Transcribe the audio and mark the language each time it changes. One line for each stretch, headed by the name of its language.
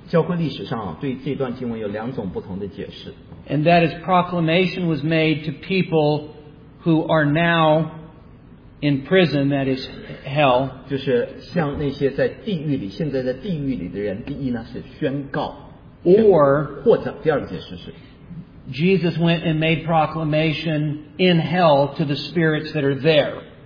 Chinese: 教会历史上啊，对这段经文有两种不同的解释。
English: And that is proclamation was made to people who are now in prison, that is hell.
Chinese: 就是像那些在地狱里，现在在地狱里的人，第一呢是宣告。
English: Or
Chinese: 或者第二个解释是
English: ，Jesus went and made proclamation in hell to the spirits that are there.